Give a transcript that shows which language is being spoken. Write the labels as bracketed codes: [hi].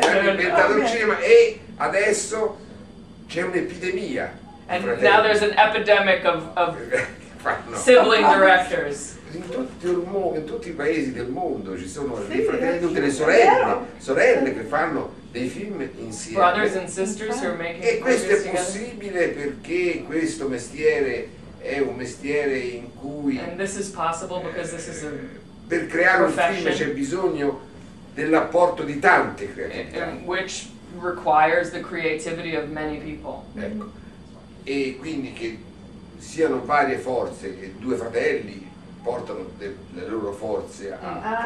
[it] Hanno inventato il cinema e adesso c'è un'epidemia. [en] And now there's an epidemic of sibling directors. [it] in tutto il mondo, in tutti I paesi del mondo ci sono dei fratelli, tutte le sorelle, sorelle che fanno dei film insieme. [en] Brothers and sisters who are making films. [it] E questo è possibile perché questo mestiere è un mestiere in cui. [en] And this is possible because this is a. [it] Per creare [en] profession. [it] Un film c'è bisogno dell'apporto di tante creatività. [en] Which requires the creativity of many people. [it] Ecco. E quindi che siano varie forze e due fratelli portano le loro forze a